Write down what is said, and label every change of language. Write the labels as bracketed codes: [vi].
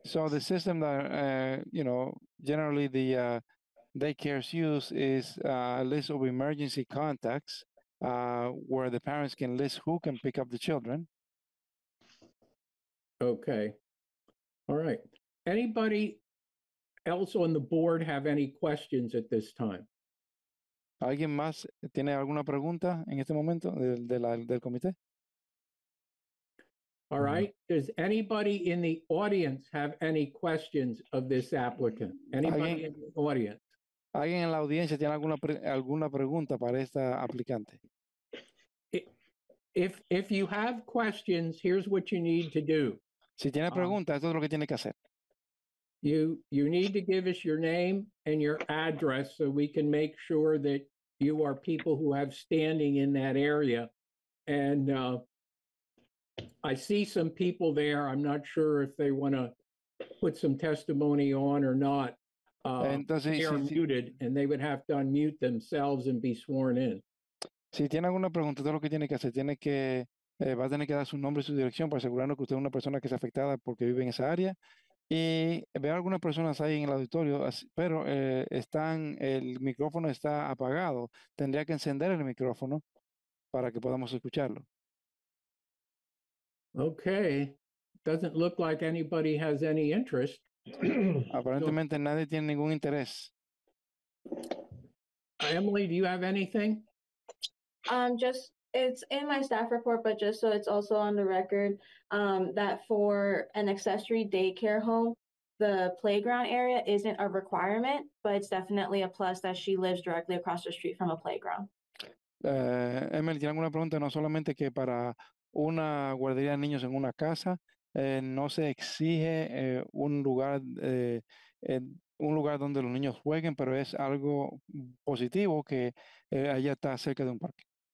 [en] So the system that, generally the daycares use is a list of emergency contacts. Where the parents can list who can pick up the children. Okay. All right. Anybody else on the board have any questions at this time? [es] ¿Alguien más tiene alguna pregunta en este momento del comité? [en] All right. Does anybody in the audience have any questions of this applicant? In the audience? [es] ¿Alguien en la audiencia tiene alguna pregunta para esta aplicante? [en] If you have questions, here's what you need to do. [es] Si tiene pregunta, esto es lo que tiene que hacer. [en] You need to give us your name and your address so we can make sure that you are people who have standing in that area. And I see some people there. I'm not sure if they want to put some testimony on or not. Muted and they would have to unmute themselves and be sworn in. [es] Si tiene alguna pregunta, todo lo que tiene que hacer, va a tener que dar su nombre y su dirección para asegurarnos que usted es una persona que es afectada porque vive en esa área. Y veo algunas personas ahí en el auditorio, pero el micrófono está apagado. Tendría que encender el micrófono para que podamos escucharlo. [en] Okay. Doesn't look like anybody has any interest. [es] Aparentemente nadie tiene ningún interés. [en] Emily, do you have anything? It's in my staff report, but just so it's also on the record, that for an accessory daycare home, the playground area isn't a requirement, but it's definitely a plus that she lives directly across the street from a playground. [es] Emily, ¿tiene alguna pregunta? No solamente que para una guardería de niños en una casa, no se exige un lugar donde los niños jueguen, pero es algo positivo que ella está cerca de un parque.